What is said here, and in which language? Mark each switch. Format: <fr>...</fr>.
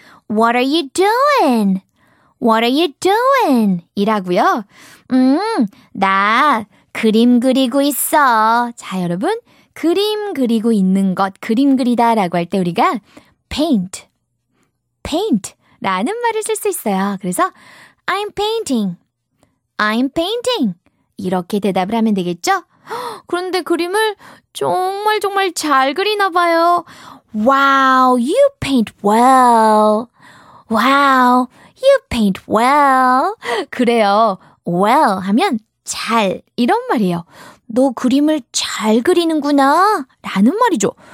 <en>What are you doing? What are you doing?</en> <ko>이라고요. 나 그림 그리고 있어. 자, 여러분. 그림 그리고 있는 것, 그림 그리다 라고 할 때 우리가 paint. paint 라는 말을 쓸 수 있어요.</ko> <en>그래서 I'm painting. I'm painting.</en> <ko>이렇게 대답을 하면 되겠죠? 그런데 그림을 정말 정말 잘 그리나 봐요.</ko> <en>Wow, you paint well. Wow, you paint well.</en> <ko>그래요. Well 하면 잘 이런 말이에요. 너 그림을 잘 그리는구나 라는 말이죠.</ko>